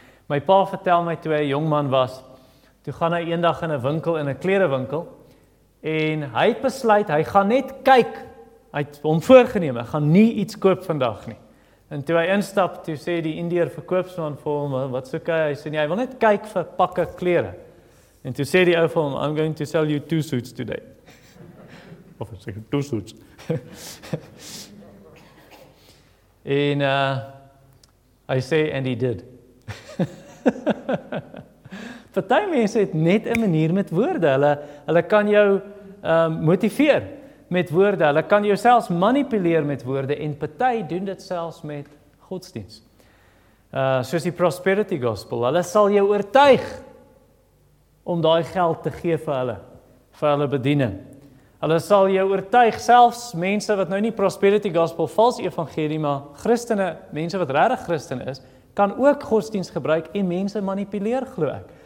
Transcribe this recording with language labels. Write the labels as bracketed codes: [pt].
[af] My pa vertel my toe hy 'n jong man was, toe gaan hy eendag in 'n winkel, in 'n klerewinkel, en hy het besluit, hy gaan net kyk, hy het hom voorgeneem, hy gaan nie iets koop vandag nie. En toe hy instap, toe sê die Indiër verkoopsman vir hom, wat soek hy? Hy sê nie, hy wil net kyk vir pakke klere. En toe sê die ou vir hom, [en] I'm going to sell you 2 suits today. [af] Of hy sê, [en] 2 suits. [af] En hy sê, [en] and he did. [af] Party mense het net 'n manier met woorde. Hulle kan jou motiveer met woorde. Hulle kan jou selfs manipuleer met woorde en party doen dit selfs met godsdienst. Soos die prosperity gospel. Hulle sal jou oortuig om daai geld te gee vir hulle bediening. Hulle sal jou oortuig, selfs mense wat nou nie prosperity gospel, vals evangelie, maar christene, mense wat regtig christen is, kan ook godsdienst gebruik en mense manipuleer, glo ek.